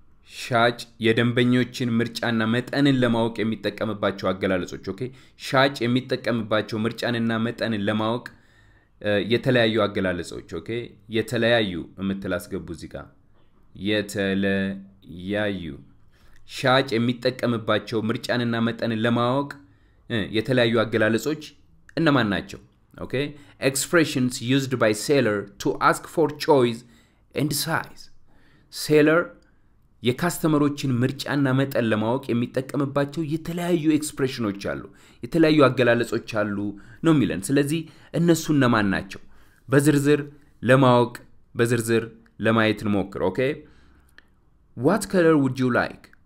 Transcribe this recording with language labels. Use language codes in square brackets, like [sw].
[am] ሻጭ የደንበኞችን ምርጫና መጠንን ለማወቅ የሚጠቀምባቸው አገላለጾች። ኦኬ፣ ሻጭ የሚጠቀምባቸው ምርጫንና መጠንን ለማወቅ የተለያዩ አገላለጾች። ኦኬ፣ የተለያዩ እንትላስገቡ እዚህ ጋር የተለያዩ ሻጭ የሚጠቀምባቸው ምርጫንና መጠንን ለማወቅ የተለያዩ አገላለጾች እነማን ናቸው? [en] ኦኬ፣ expressions used by seller to ask for choice and size. [am] seller የካስተመሮችን ምርጫና መጠን ለማወቅ የሚጠቀምባቸው የተለያዩ ኤክስፕሬሽኖች አሉ፣ የተለያዩ አገላለጾች አሉ ነው የሚለን። ስለዚህ እነሱ እነማን ናቸው በዝርዝር ለማወቅ በዝርዝር ለማየት እንሞክር። ኦኬ፣ [en] what color would you like?